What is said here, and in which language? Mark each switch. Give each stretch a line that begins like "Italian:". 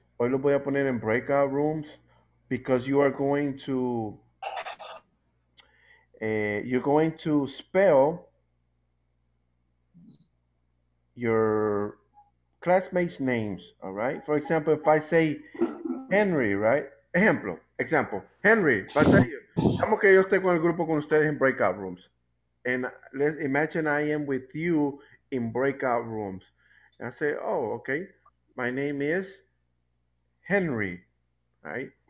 Spanish: Hoy lo voy a poner en
English: breakout rooms because you are going to you're going to spell your classmates' names, all right? For example, if I say Henry, right? Ejemplo, example, Henry.
Spanish: Vamos que yo estoy con el grupo con ustedes en breakout rooms.
English: And let's imagine I am with you in breakout rooms. And I say, oh, okay, my name is Henry, right?